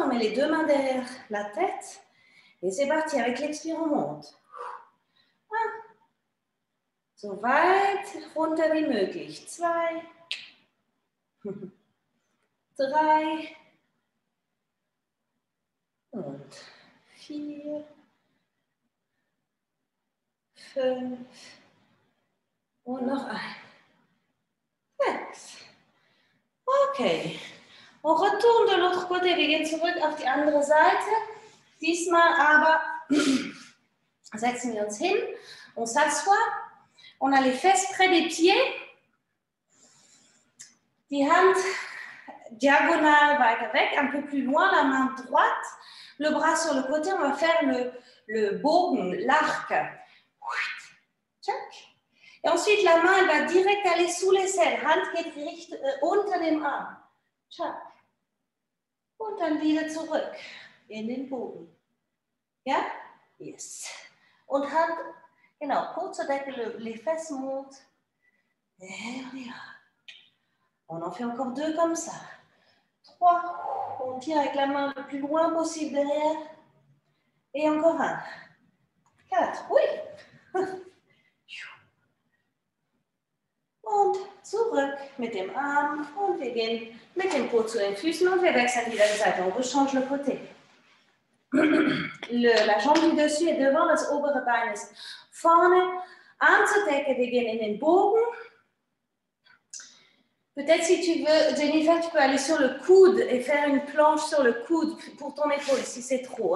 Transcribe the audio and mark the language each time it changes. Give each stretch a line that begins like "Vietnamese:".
French: On met les deux mains derrière la tête. Et c'est parti avec l'expire, on monte. Un.
German: So weit runter wie möglich. Zwei. Drei. Und vier. Fünf. Und noch ein. Sechs. Okay.
French: On retourne de l'autre côté.
German: Wir gehen zurück auf die andere Seite. Diesmal aber setzen wir uns hin.
French: On s'assoit. On a les fesses près des pieds.
German: Die Hand diagonal weiter weg,
French: un peu plus loin, la main droite. Le bras sur le côté. On va faire le bogen, l'arc. Et ensuite, la main elle va direct aller sous les selles.
German: Hand geht direkt unter dem Arm. Tchak. Und dann wieder zurück in den Bogen. Ja? Yes. Und Hand, genau, kurzer Deckel,
French: les fesses montent. Et on en fait encore deux comme ça. Trois. On tire avec la main le plus loin possible derrière. Et encore un. Quatre. Oui.
German: Und zurück mit dem Arm. Und wir gehen mit dem Po zu den Füßen. Und wir wechseln wieder die Seite.
French: On rechange le côté. La jambe du dessus est devant,
German: das obere Bein ist vorne. Arm zur Decke, wir gehen in den Bogen.
French: Peut-être si tu veux, Jennifer, tu peux aller sur le coude et faire une planche sur le coude pour ton épaule, si c'est trop.